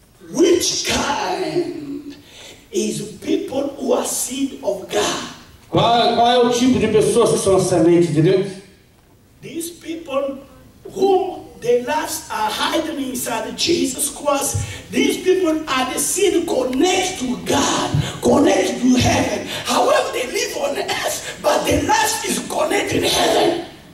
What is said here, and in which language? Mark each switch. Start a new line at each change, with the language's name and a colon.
English: Which kind is people who are seed of God?
Portuguese: Qual é o tipo de pessoas que são semente de Deus?
English: These people whom their lives are hidden inside Jesus Christ. These people are the seed connected to God, connected to heaven. However, they live on earth, but their lives is connected to heaven.